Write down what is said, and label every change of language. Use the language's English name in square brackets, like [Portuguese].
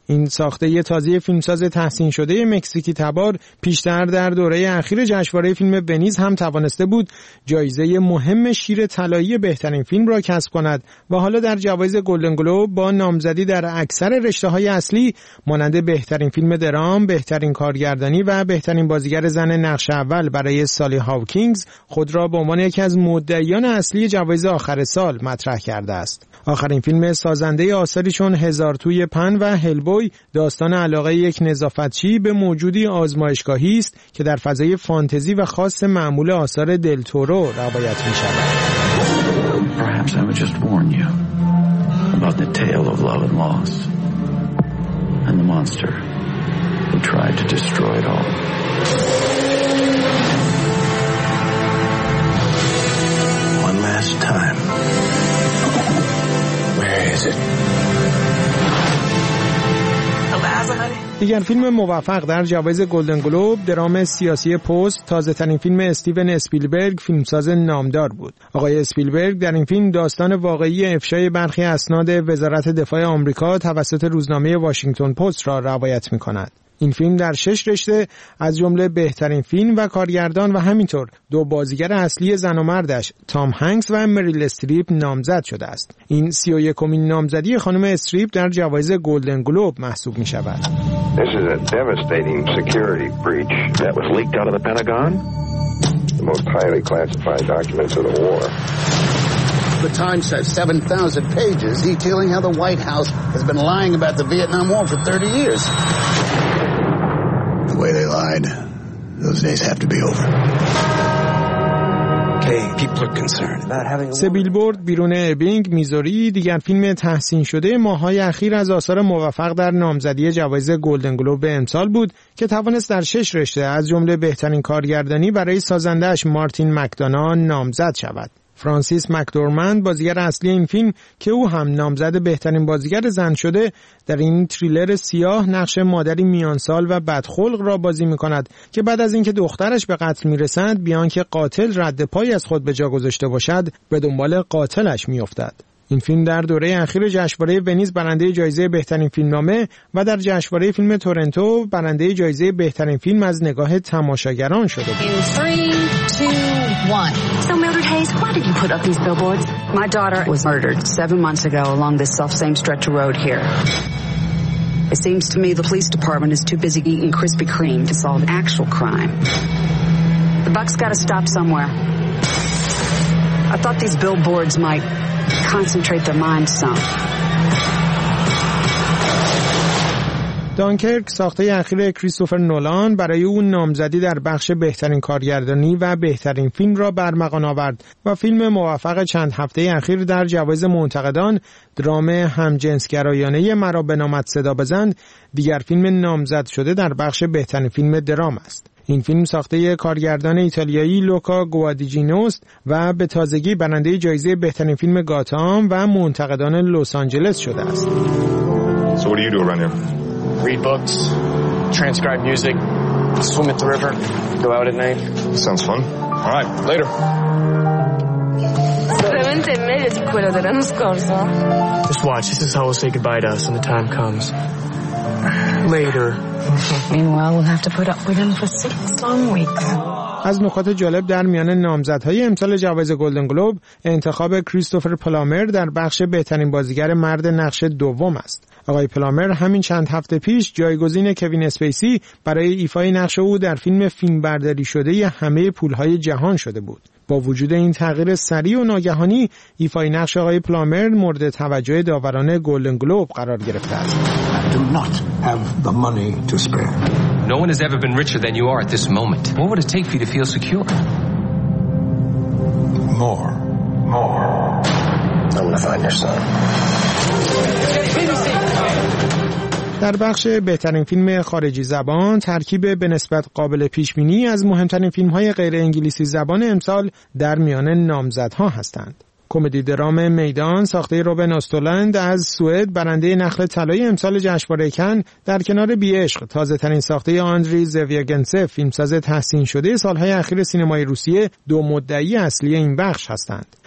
[Persian] این ساخته تازه فیلمساز تحسین شده مکزیکی تبار پیشتر در دوره اخیر جشنواره فیلم ونیز هم توانسته بود جایزه مهم شیر طلایی بهترین فیلم را کسب کند و حالا در جوایز گلدن گلوب با نامزدی در اکثر رشته‌های اصلی مانند بهترین فیلم درام، بهترین کارگردانی و بهترین بازیگر زن نقش اول برای سالی هاوکینگز خود را به عنوان یکی از مدعیان اصلی جوایز آخر سال مطرح کرده است. آخرین فیلم سازنده آثاری چون هزار توی پن و هلبوی داستان علاقه یک نظافتچی به موجودی آزمایشگاهی است که در فضای فانتزی و خاص معمول آثار دل تورو روایت می شود. [English] Perhaps I would just warn you about the tale of love and loss and the monster who tried to destroy it all. One last time. Where is it? [Persian] دیگر فیلم موفق در جوایز گلدن گلوب درام سیاسی پست تازه ترین فیلم استیون اسپیلبرگ فیلمساز نامدار بود. آقای اسپیلبرگ در این فیلم داستان واقعی افشای برخی اسناد وزارت دفاع آمریکا توسط روزنامه واشنگتن پست را روایت می‌کند. این فیلم در 6 رشته از جمله بهترین فیلم و کارگردان و همینطور دو بازیگر اصلی زن و مردش تام هنگس و مریل استریپ نامزد شده است. این 31مین نامزدی خانم استریپ در جوایز گلدن گلوب محسوب می شود. [English] This is a devastating security breach that was leaked out of the Pentagon. The most highly classified documents of the war. The Times has 7,000 pages detailing how the White House has been lying about the Vietnam War for 30 years. The way they lied, those days have to be over. [Persian] سه بیلبورد بیرون اربینگ میزوری دیگر فیلم تحسین شده ماهای اخیر از آثار موفق در نامزدی جوایز گلدن گلوب امسال بود که توانست در 6 رشته از جمله بهترین کارگردانی برای سازندهش مارتین مکدونان نامزد شود. فرانسیس مکدورمند بازیگر اصلی این فیلم که او هم نامزد بهترین بازیگر زن شده در این تریلر سیاه نقش مادری میانسال و بدخلق را بازی می‌کند که بعد از اینکه دخترش به قتل می‌رسد بیان که قاتل رد پای از خود به جا گذاشته باشد به دنبال قاتلش می‌افتد. این فیلم در دوره اخیر جشنواره ونیز برنده جایزه بهترین فیلمنامه و در جشنواره فیلم تورنتو برنده جایزه بهترین فیلم از نگاه تماشاگران شده بود. [English] So Mildred Hayes, why did you put up these billboards? My daughter was murdered 7 months ago along this self-same stretch of road here. It seems to me the police department is too busy eating Krispy Kreme to solve an actual crime. The buck's got to stop somewhere. I thought these billboards might concentrate their minds some. [Persian] دانکرک ساخته اخیر کریستوفر نولان برای اون نامزدی در بخش بهترین کارگردانی و بهترین فیلم را برمغان آورد و فیلم موفق چند هفته اخیر در جوایز منتقدان درام همجنسگرایانه مرا به نامت صدا بزند دیگر فیلم نامزد شده در بخش بهترین فیلم درام است. این فیلم ساخته کارگردان ایتالیایی لوکا گوادیجینوست و به تازگی برنده جایزه بهترین فیلم گاتام و منتقدان لس آنجلس شده است. [English] Read books, transcribe music, swim at the river, go out at night. Sounds fun. All right, later. [Italian] Veramente meglio di quello dell'anno scorso. [English] Just watch. This is how we'll say goodbye to us when the time comes. Later. Meanwhile, we'll have to put up with him for 6 long weeks. [Persian] از نکات جالب در میان نامزدهای امسال جوایز گلدن گلوب انتخاب کریستوفر پلامر در بخش بهترین بازیگر مرد نقش دوم است. آقای پلامر همین چند هفته پیش جایگزین کوین اسپیسی برای ایفای نقش او در فیلم فیلمبرداری شده همه پولهای جهان شده بود. با وجود این تغییر سریع و ناگهانی، ایفای نقش آقای پلامر مورد توجه داوران گلدن گلوب قرار گرفته است. [English] No one has ever been richer than you are at this moment. What would it take for you to feel secure? More. More. I'm going to find your son. [Persian] در بخش بهترین فیلم خارجی زبان، ترکیب به نسبت قابل پیشبینی از مهمترین فیلم‌های غیر انگلیسی زبان امسال در میان نامزدها هستند. کمدی درام میدان ساخته روبن استولند از سوئد برنده نخل طلای امسال جشنواره کن در کنار بی‌عشق، تازه‌ترین ساخته آندری زویاگنسف، فیلمساز تحسین شده سال‌های اخیر سینمای روسیه، دو مدعی اصلی این بخش هستند.